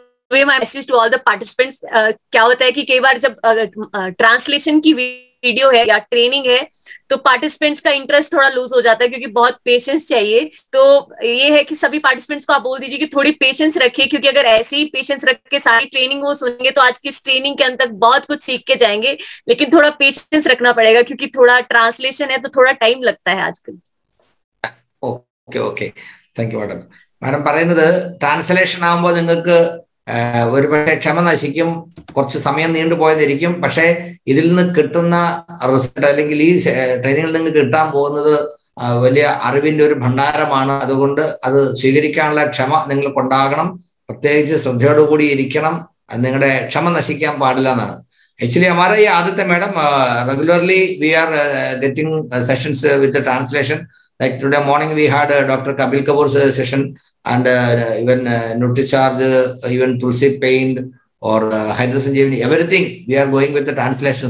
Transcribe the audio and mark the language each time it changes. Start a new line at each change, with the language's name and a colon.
English: My message to all the participants,
Hindi: क्या होता है कि कई बार जब ट्रांसलेशन की वीडियो है या ट्रेनिंग है तो पार्टिसिपेंट्स का इंटरेस्ट थोड़ा लूज हो जाता है, क्योंकि बहुत पेशेंस चाहिए। तो ये है कि सभी पार्टिसिपेंट्स को आप बोल दीजिए कि थोड़ी पेशेंस रखिए, क्योंकि अगर ऐसे ही पेशेंस रख के सारी ट्रेनिंग वो सुनेंगे तो आज की ट्रेनिंग के अंत तक बहुत कुछ सीख के जाएंगे, लेकिन थोड़ा पेशेंस रखना पड़ेगा क्योंकि थोड़ा ट्रांसलेशन है तो थोड़ा टाइम लगता है आजकल।
English: Okay okay, thank you madam.
Malayalam: Madam പറയുന്നത് ട്രാൻസ്ലേഷൻ ആവുമ്പോൾ നിങ്ങൾക്ക് ഒരുപക്ഷെ ക്ഷമ നശിക്കും, കുറച്ച് സമയം നീണ്ടു പോയതായിരിക്കും. പക്ഷേ ഇതിൽ നിന്ന് കിട്ടുന്ന റിസൾട്ട് അല്ലെങ്കിൽ ഈ ട്രെയിനിങ്ങിൽ നിന്ന് കിട്ടാൻ പോകുന്നത് വലിയ അറിവിന്റെ ഒരു ഭണ്ഡാരമാണ്. അതുകൊണ്ട് അത് സ്വീകരിക്കാനുള്ള ക്ഷമ നിങ്ങൾക്കുണ്ടാകണം, പ്രത്യേകിച്ച് ശ്രദ്ധയോടുകൂടി ഇരിക്കണം, നിങ്ങളുടെ ക്ഷമ നശിക്കാൻ പാടില്ല എന്നാണ്.
English: actually
Hindi: हमारा ये आदत है
English: Madam, regularly we are getting sessions with the translation. Like today morning we had doctor Kapil Kapoor session and even नुटिचार्ज even Tulsi पेंट और Haider Sanjeevani everything we are going with the translation.